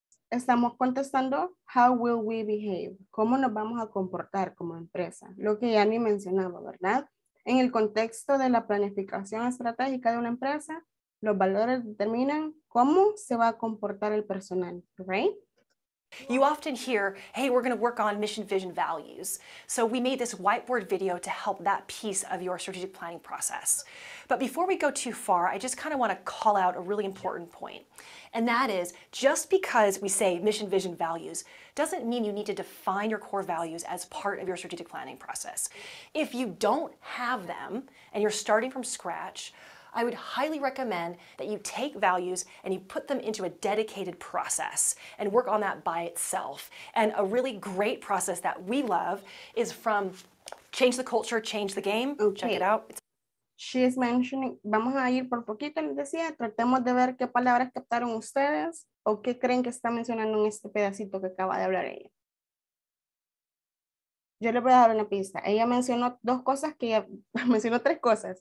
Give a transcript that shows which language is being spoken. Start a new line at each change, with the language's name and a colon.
Spanish: Estamos contestando,
English: how will we behave?
Spanish: ¿Cómo nos vamos a comportar como empresa? Lo que ya ni mencionaba, ¿verdad? En el contexto de la planificación estratégica de una empresa, los valores determinan cómo se va a comportar el personal, ¿right?
English: You often hear, hey, we're going to work on mission, vision, values. So we made this whiteboard video to help that piece of your strategic planning process. But before we go too far, I just kind of want to call out a really important point. And that is, just because we say mission, vision, values, doesn't mean you need to define your core values as part of your strategic planning process. If you don't have them, and you're starting from scratch, I would highly recommend that you take values and you put them into a dedicated process and work on that by itself. And a really great process that we love is from Change the Culture, Change the Game. Okay. Check it out. She is mentioning,
Spanish: vamos a ir por poquito, les decía, tratemos de ver qué palabras captaron ustedes o qué creen que está mencionando en este pedacito que acaba de hablar ella. Yo le voy a dar una pista. Ella mencionó dos cosas que ya, mencionó tres cosas.